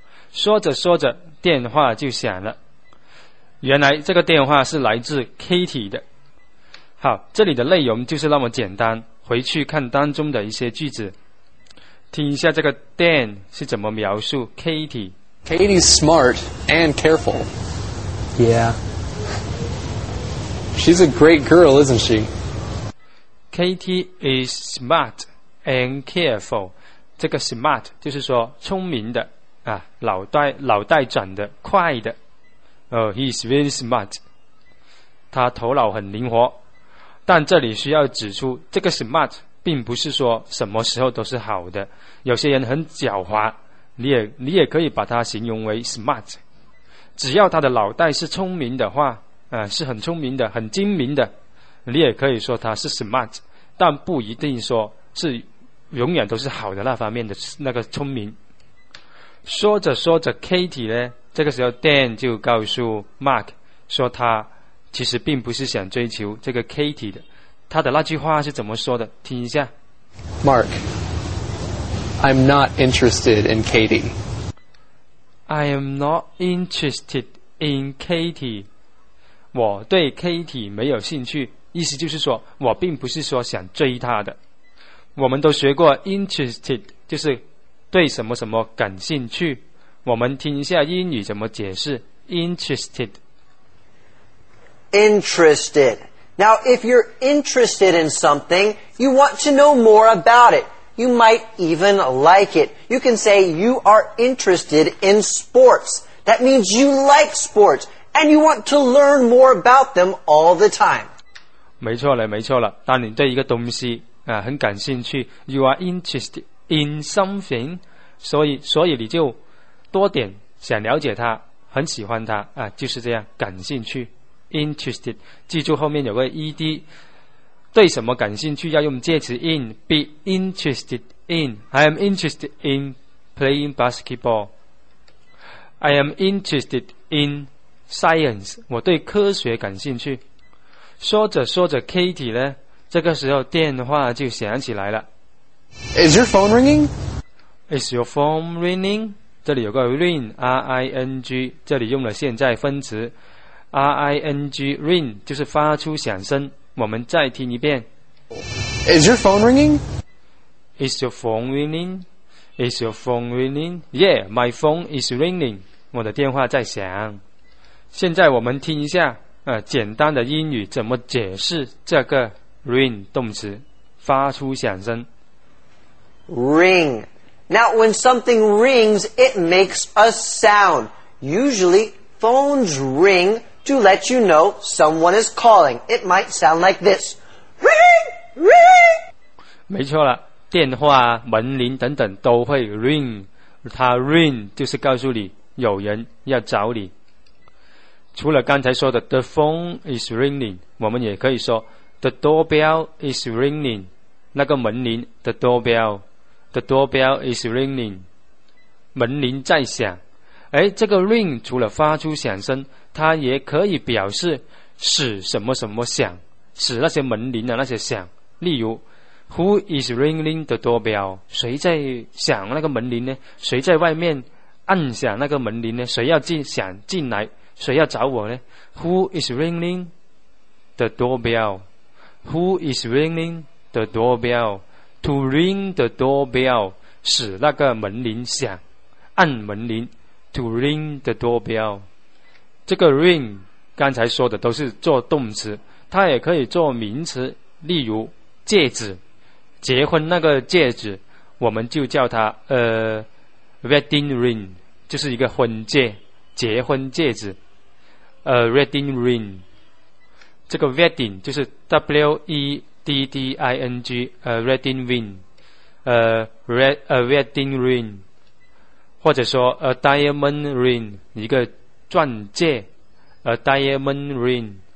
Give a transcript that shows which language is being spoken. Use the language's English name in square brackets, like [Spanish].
[Chinese] 说着说着电话就响了，原来这个电话是来自 Katie 的。好，这里的内容就是那么简单，回去看当中的一些句子，听一下这个 Dan 是怎么描述 Katie [English] Katie's smart and careful. Yeah. She's a great girl, isn't she? Katie is smart and careful. [Chinese] 这个 smart 就是说聪明的脑袋转的快的。 [English] He is very smart. [Chinese] 他头脑很灵活。但这里需要指出，这个 smart 并不是说什么时候都是好的，有些人很狡猾。你也可以把它形容为 smart， 只要他的脑袋是聪明的话是很聪明的，很精明的，你也可以说他是 smart， 但不一定说是永远都是好的那方面的那个聪明。说着说着 Katie 呢，这个时候 Dan 就告诉 Mark 说他其实并不是想追求这个 Katie 的，他的那句话是怎么说的，听一下。 [English] Mark, I'm not interested in Katie. I am not interested in Katie. [Chinese] 我对 Katie 没有兴趣，意思就是说我并不是说想追她的。我们都学过 interested 就是对什么什么感兴趣，我们听一下英语怎么解释 interested。 [English] Interested. Now if you're interested in something, you want to know more about it. You might even like it. You can say you are interested in sports. That means you like sports and you want to learn more about them all the time. [Chinese] 没错了，没错了，当你对一个东西很感兴趣， [English] You are interested in something， [Chinese] 所以你就多点想了解它，很喜欢它就是这样，感兴趣 interested， 记住后面有个 ed， 对什么感兴趣要用介词 in， [English] be interested in， I am interested in playing basketball， I am interested in science， [Chinese] 我对科学感兴趣。说着说着 Katie 呢，这个时候电话就响起来了。 [English] Is your phone ringing? Is your phone ringing? [Chinese] 这里有个 ring， R-I-N-G， 这里用了现在分词 R-I-N-G， ring 就是发出响声。我们再听一遍。 [English] Is your phone ringing? Is your phone ringing? Is your phone ringing? Yeah, my phone is ringing， [Chinese] 我的电话在响。现在我们听一下简单的英语怎么解释这个Ring 动词，发出响声。 [English] Ring. Now, when something rings, it makes a sound. Usually, phones ring to let you know someone is calling. It might sound like this. Ring, ring. [Chinese] 没错了，电话、门铃等等都会 ring。它 ring 就是告诉你有人要找你。除了刚才说的 [English] the phone is ringing， [Chinese] 我们也可以说。 [English] The doorbell is ringing， [Chinese] 那个门铃 [English] The doorbell is ringing， [Chinese] 门铃在响。这个 ring 除了发出响声，它也可以表示使什么什么响，使那些门铃的那些响。例如 [English] Who is ringing the doorbell？ [Chinese] 谁在响那个门铃呢？谁在外面按响那个门铃呢？谁要进来？谁要找我呢？ [English] Who is ringing the doorbell？ Who is ringing the doorbell? To ring the doorbell， [Chinese] 使那个门铃响，按门铃。 [English] To ring the doorbell， [Chinese] 这个 ring 刚才说的都是做动词，它也可以做名词。例如戒指，结婚那个戒指，我们就叫它wedding ring， 就是一个婚戒，结婚戒指wedding ring。这个 wedding 就是 W-E-D-D-I-N-G， wedding ring， wedding ring， 或者说 [English] a diamond ring， [Chinese] 一个钻戒 a diamond ring。